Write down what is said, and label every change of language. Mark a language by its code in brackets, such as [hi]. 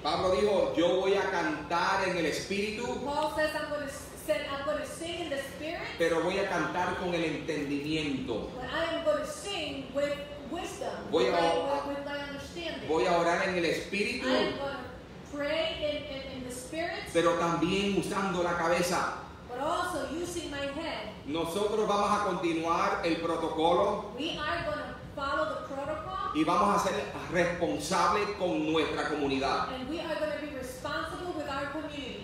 [es] Pablo dijo, yo voy a cantar en el Espíritu. [en] Paul says, I'm going to sing in the Spirit. [es] Pero voy a cantar con el entendimiento. [en] But I am going to sing with wisdom. [es] Voy a, [en] with my understanding. [es] Voy a orar en el Espíritu. [en] Pray in the spirit, [es] pero también usando la cabeza. [en] But also using my head. [es] Nosotros vamos a continuar el protocolo. [en] We are going to follow the protocol. [es] Y vamos a ser responsables con nuestra comunidad. [en] And we are going to be responsible with our community.